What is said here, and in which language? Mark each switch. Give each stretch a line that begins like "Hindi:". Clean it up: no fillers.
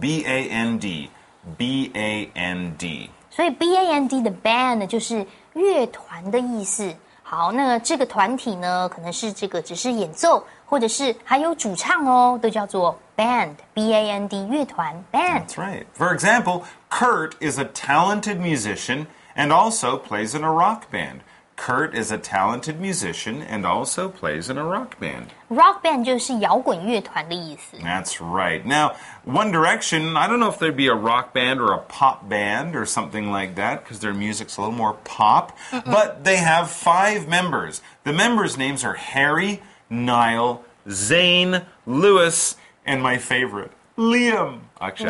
English: B-A-N-D. B-A-N-D.
Chinese: 所以 B-A-N-D 的 band 就是乐团的意思。好，那这个团体呢，可能是这个只是演奏，或者是还有主唱哦，都叫做Band, B-A-N-D, 乐团 band.
English: That's right. For example, Kurt is a talented musician and also plays in a rock band. Kurt is a talented musician and also plays in a rock band.
Chinese: Rock band 就是摇滚乐团的意思。
English: That's right. Now, One Direction, I don't know if there'd be a rock band or a pop band or something like that, because their music's a little more pop, but they have 5 members. The members' names are Harry, Niall, Zayn, Lewis,And my favorite, Liam. Actually,